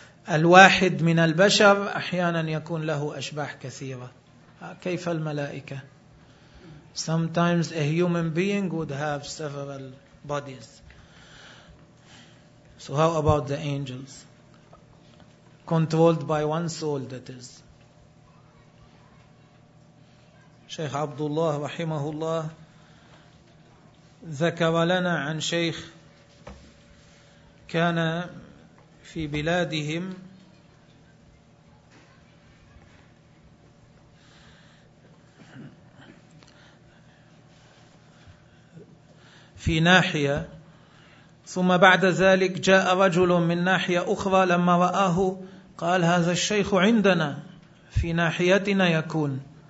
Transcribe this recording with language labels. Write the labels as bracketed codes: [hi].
[ar] الواحد من البشر أحيانا يكون له أشباح كثيرة. كيف الملائكة؟ [en] Sometimes a human being would have several bodies. So how about the angels? Controlled by one soul, that is. [ar] Shaykh Abdullah rahimahullah ذكر لنا عن شيخ كان في بلادهم في ناحية ثم بعد ذلك جاء رجل من ناحية أخرى لما رآه قال هذا الشيخ عندنا في ناحيتنا يكون